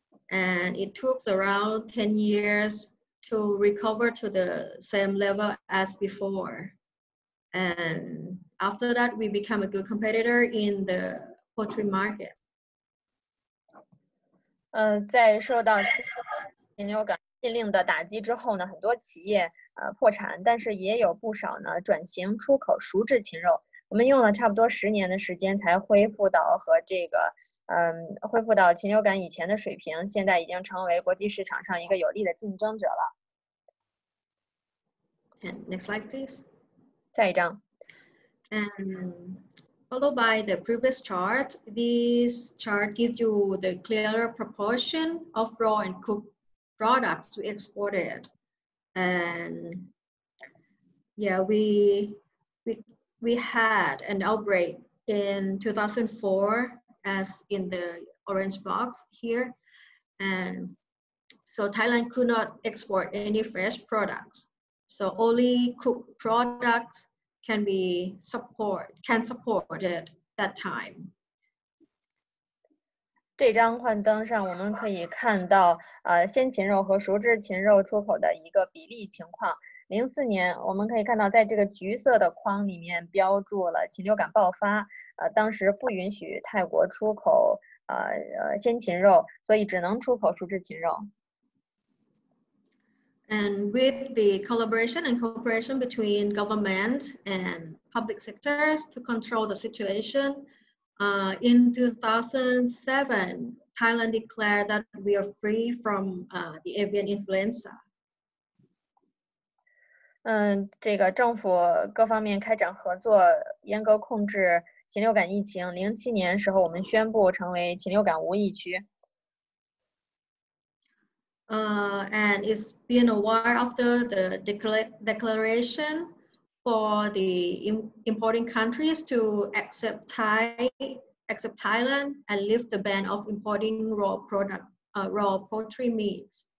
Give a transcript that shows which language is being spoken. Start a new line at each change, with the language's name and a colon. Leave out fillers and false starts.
English: And it took around 10 years to recover to the same level as before. And after that, we became a good competitor in the poultry market.
Chinese: 在受到禽流感禁令的打击之后呢，很多企业破产，但是也有不少呢转型出口熟制禽肉。我们用了差不多10年的时间才恢复到和这个恢复到禽流感以前的水平，现在已经成为国际市场上一个有力的竞争者了。
English: And next slide, please.
Chinese: 下一张。
English: Followed by the previous chart, this chart gives you the clearer proportion of raw and cooked products we exported, and yeah, we had an outbreak in 2004, as in the orange box here, and so Thailand could not export any fresh products, so only cooked products can support it that time.
Chinese: 这张幻灯上我们可以看到鲜禽肉和熟制禽肉出口的一个比例情况。 04年我们可以看到在这个橘色的框里面标注了禽流感爆发，当时不允许泰国出口鲜禽肉，所以只能出口熟制禽肉。
English: And with the collaboration and cooperation between government and public sectors to control the situation, in 2007, Thailand declared that we are free from the avian influenza.
Chinese: 这个政府各方面开展合作，严格控制禽流感疫情。 07年时候，我们宣布成为禽流感无疫区。
English: And it's been a while after the declaration for the importing countries to accept Thailand and lift the ban of importing raw poultry meat.